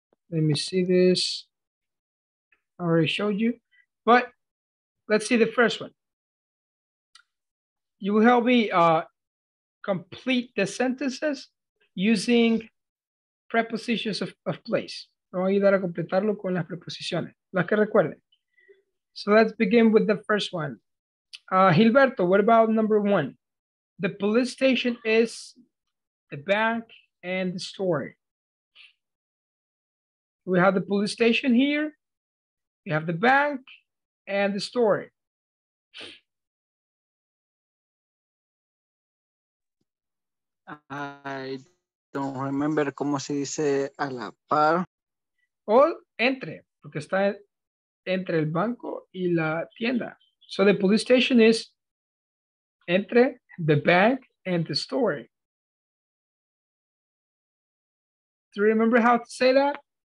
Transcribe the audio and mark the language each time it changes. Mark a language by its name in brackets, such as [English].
[English] Let me see this. I already showed you, but let's see the first one. You will help me complete the sentences using prepositions of place. [Spanish] Vamos a ayudar a completarlo con las preposiciones, las que recuerden. [English] So let's begin with the first one. Gilberto, what about number one? The police station is the bank and the store. We have the police station here. We have the bank and the store. I don't remember [Spanish] cómo se dice a la par. O entre, porque está entre el banco y la tienda. [English] So the police station is entre the bank and the store. Do you remember how to say that?